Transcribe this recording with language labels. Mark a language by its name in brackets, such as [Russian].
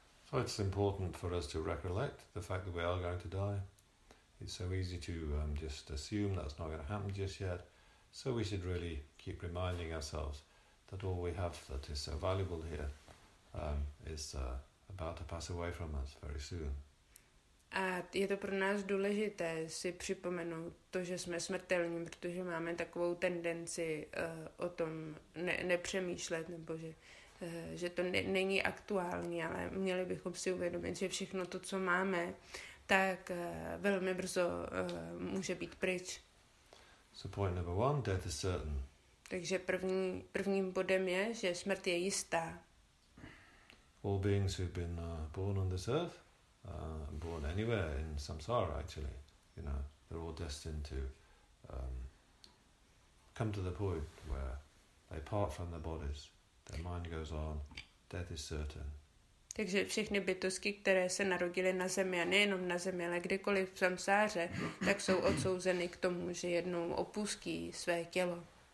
[English] So it's important for us to recollect the fact that we are going to die. It's so easy to just assume that's not going to happen just yet. So we should really keep reminding ourselves that all we have that is so valuable here is about to pass away from us very soon. [Czech] A je to pro nás důležité si připomenout to, že jsme smrtelní, protože máme takovou tendenci o tom nepřemýšlet, nebo že to není aktuální, ale měli bychom si uvědomit, že všechno to, co máme, tak velmi brzo může být pryč. [English] So point number one, death is certain. [Czech] Takže prvním bodem je, že smrt je jistá. [English] All beings who've been born on this earth, born anywhere in samsara, actually, you know, they're all destined to come to the point where they part from their bodies. Their mind goes on. Death is certain. [Czech] Takže všechny bytosti, které se narodily na zemi, a nejenom na zemi, ale kdykoliv v samsáře, tak jsou odsouzeny k tomu, že jednou opustí své tělo.